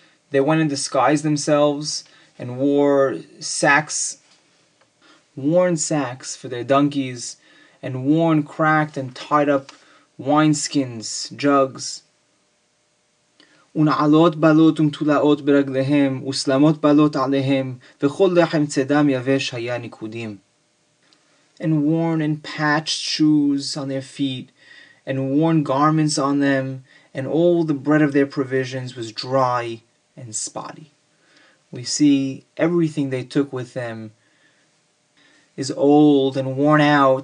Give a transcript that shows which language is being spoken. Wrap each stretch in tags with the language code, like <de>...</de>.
<en>They went and disguised themselves and worn sacks for their donkeys, and worn cracked and tied up wineskins, jugs.</en> <he>ונעלות בלות ומתולעות ברגליהם, וסלמות בלות עליהם, וכל לחם צדם יבש היה ניקודים.</he> <en>And worn and patched shoes on their feet, and worn garments on them, and all the bread of their provisions was dry and spotty. We see everything they took with them is old and worn out.</en>